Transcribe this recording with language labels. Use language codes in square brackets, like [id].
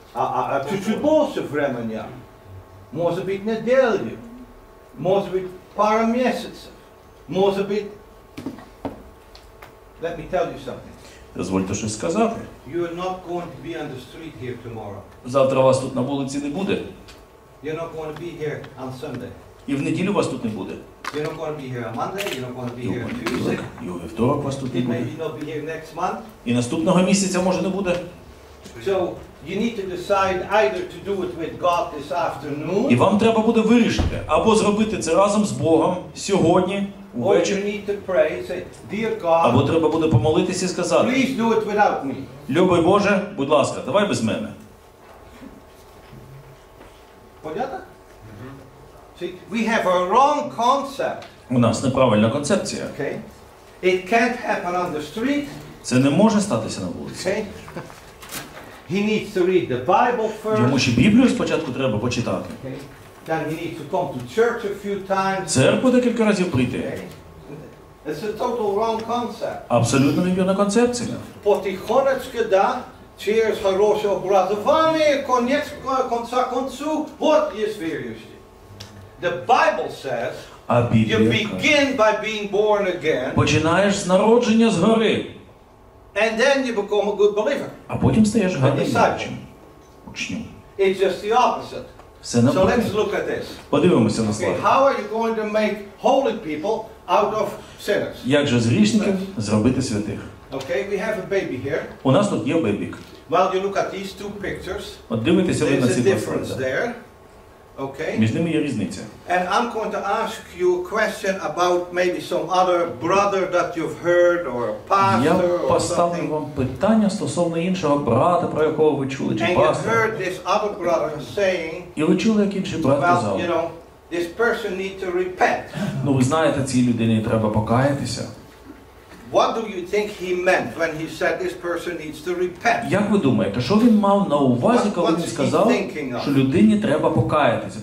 [uk] А чуть-чуть більше времени. Може бути неділю. Може бути пару місяців. Може бути. [en] Let me tell you something. [uk] Дозвольте щось сказати. [en] You are not going to be on the street here tomorrow. [uk] Завтра вас тут на вулиці не буде. [en] You're not going to be here on Sunday. [uk] І в неділю вас тут не буде. [en] You're not going to be here on Monday. You're not going to be here on Tuesday. [uk] І у вівторок вас тут не буде. [en] You may not be here next month. [uk] І наступного місяця може не буде. [en] So you need to decide either to do it with God this afternoon. [uk] І вам треба буде вирішити або зробити це разом з Богом сьогодні. [en] Or you need to pray, say, dear God. [uk] Або треба буде помолитися і сказати. [en] Please do it without me. [uk] Любий Боже, будь ласка, давай без мене. [en] Понятно? See, we have a wrong concept. [uk] У нас неправильна концепція. [en] Okay. It can't happen on the street. [uk] Це не може статися на вулиці. [en] Okay. He needs to read the Bible first. [uk] Йому ще Біблію спочатку треба почитати. [en] Okay. Then he needs to come to church a few times. [uk] Церкву декілька разів прийти. [en] It's a total wrong concept. [uk] Абсолютно невірна концепція. Потихонечку, да, через хороше образування, кінець концу, от є вірюючі. [en] The Bible says, you begin by being born again. [uk] Починаєш з народження згори. [en] And then you become a good believer. [uk] А потім стаєш гарним учнем. [en] It's just the opposite. So let's look at this. [uk] Подивимося на слайд. [en] Okay, how are you going to make holy people out of sinners? [uk] Як же з грішників зробити святих? [en] Okay, we have a baby here. [uk] У нас тут є бебік. [en] Well, you look at these two pictures. [uk] От дивитеся ви на ці [en] difference there. Okay. [uk] Між ними є різниця. [en] And I'm going to ask you a question about maybe some other brother that you've heard or pastor or something. [uk] Я поставлю вам питання стосовно іншого брата, про якого ви чули, чи пастора. [en] And you've heard this other brother saying, [uk] і ви чули, як інший брат казав. [en] Well, you know, this person needs to repent. [uk] Ну, ви знаєте, цій людині треба покаятися. [en] What do you think he meant when he said this person needs to repent? [uk] Як ви думаєте, що він мав на увазі, коли він сказав, що людині треба покаятися?